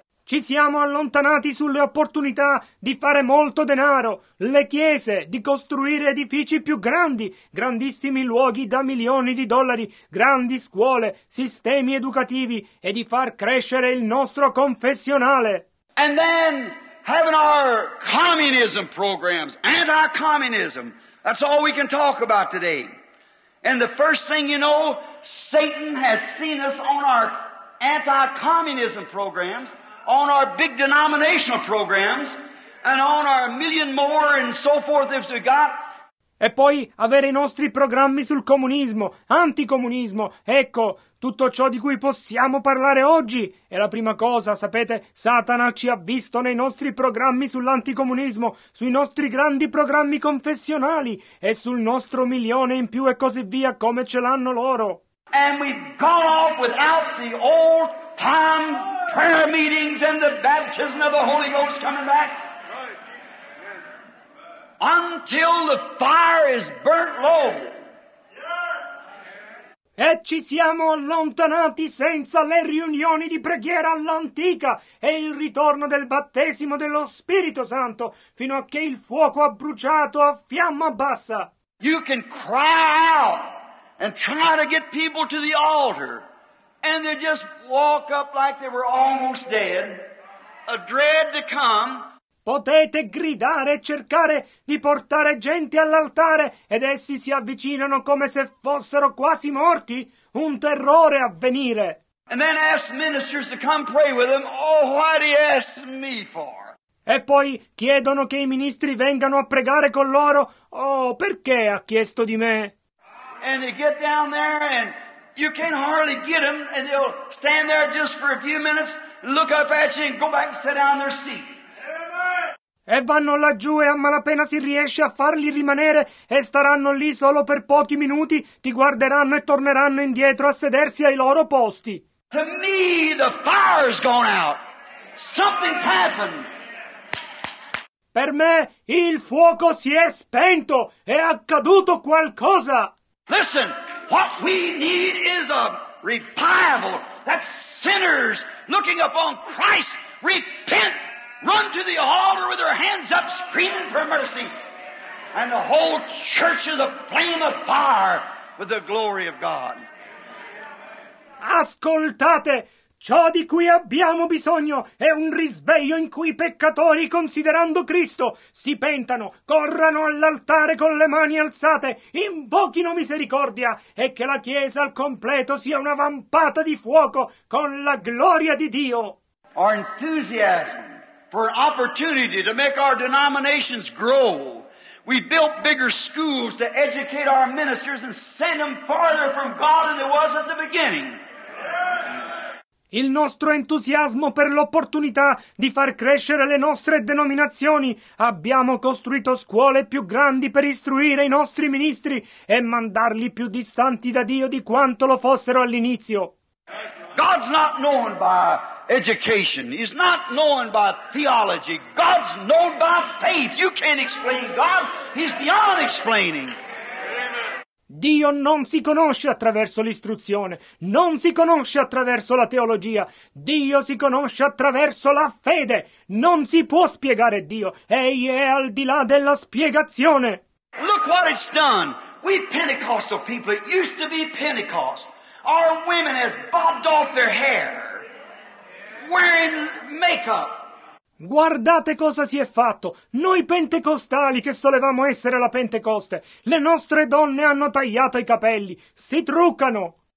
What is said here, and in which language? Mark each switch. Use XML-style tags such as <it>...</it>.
<it>Ci siamo allontanati sulle opportunità di fare molto denaro, le chiese, di costruire edifici più grandi, grandissimi luoghi da milioni di dollari, grandi scuole, sistemi educativi e di far crescere il nostro confessionale.</it> <en>And then having our communism programs, anti-communism, that's all we can talk about today. And the first thing you know, Satan has seen us on our anti-communism programs, on our big denominational programs, and on our million more and so forth as we got.</en> <it>E poi avere i nostri programmi sul comunismo, anticomunismo, ecco, tutto ciò di cui possiamo parlare oggi. E la prima cosa, sapete, Satana ci ha visto nei nostri programmi sull'anticomunismo, sui nostri grandi programmi confessionali, e sul nostro milione in più e così via, come ce l'hanno loro.</it> <en>And we've gone off without the old time prayer meetings and the baptism of the Holy Ghost coming back. Until the fire is burnt low.</en> <it>E ci siamo allontanati senza le riunioni di preghiera all'antica e il ritorno del battesimo dello Spirito Santo fino a che il fuoco ha bruciato a fiamma bassa.</it> <en>You can cry out and try to get people to the altar, and they just walk up like they were almost dead, a dread to come.</en> <it>Potete gridare e cercare di portare gente all'altare, ed essi si avvicinano come se fossero quasi morti, un terrore a venire.</it> <en>And then ask ministers to come pray with them. Oh, why do you ask me for?</en> <it>E poi chiedono che i ministri vengano a pregare con loro. Oh, perché ha chiesto di me?</it> <en>And they get down there and you can hardly get them, and they'll stand there just for a few minutes, look up at you and go back and sit down in their seat.</en> <it>E vanno laggiù e a malapena si riesce a farli rimanere e staranno lì solo per pochi minuti, ti guarderanno e torneranno indietro a sedersi ai loro posti.</it> <en>To me the fire's gone out. Something's happened.</en> <it>Per me il fuoco si è spento, è accaduto qualcosa.</it> <en>Listen, what we need is a revival that sinners looking upon Christ repent, run to the altar with their hands up screaming for mercy, and the whole church is a flame of fire with the glory of God.</en> <it>Ascoltate! Ciò di cui abbiamo bisogno è un risveglio in cui i peccatori, considerando Cristo, si pentano, corrano all'altare con le mani alzate, invochino misericordia e che la Chiesa al completo sia una vampata di fuoco con la gloria di Dio.</it> <en>Our enthusiasm for an opportunity to make our denominations grow. We built bigger schools to educate our ministers and send them farther from God than there was at the beginning.</en> <it>Il nostro entusiasmo per l'opportunità di far crescere le nostre denominazioni. Abbiamo costruito scuole più grandi per istruire i nostri ministri e mandarli più distanti da Dio di quanto lo fossero all'inizio.</it> <en>God's not known by education. He's not known by theology. God's known by faith. You can't explain God. He's beyond explaining.</en> <it>Dio non si conosce attraverso l'istruzione, non si conosce attraverso la teologia, Dio si conosce attraverso la fede, non si può spiegare Dio, Egli è al di là della spiegazione.</it> <en>Look what it's done. We Pentecostal people, it used to be Pentecost. Our women has bobbed off their hair, wearing makeup.</en> <it>Guardate cosa si è fatto. Noi pentecostali che solevamo essere la Pentecoste, le nostre donne hanno tagliato i capelli, si truccano.</it>